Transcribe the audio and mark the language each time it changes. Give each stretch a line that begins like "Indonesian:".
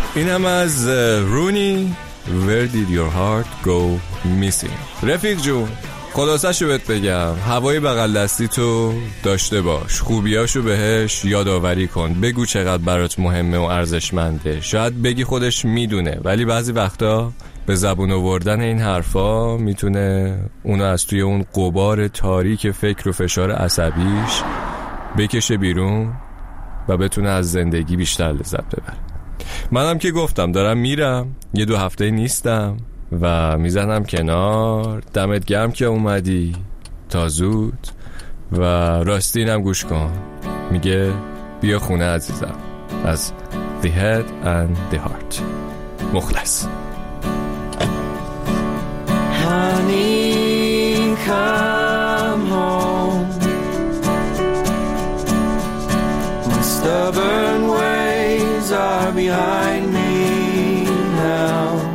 Persian: اینم از رونی،
English: Where did your heart go missing.
Persian: رفیق جون خلاصه‌شو بهت بگم، هوای بغل دستی تو داشته باش، خوبیاشو بهش یادآوری کن، بگو چقدر برات مهمه و ارزشمنده. شاید بگی خودش میدونه، ولی بعضی وقتا به زبون آوردن این حرفا میتونه اونو از توی اون غبار تاریک فکر و فشار عصبیش بکشه بیرون و بتونه از زندگی بیشتر لذت ببره. منم که گفتم دارم میرم، یه دو هفته نیستم و میزنم کنار. دمت گرم که اومدی تا زود. و راستینم گوش کن، میگه بیا خونه عزیزم، از The Head and The Heart. مخلص.
English: Honey come home, my stubborn ways are behind me now.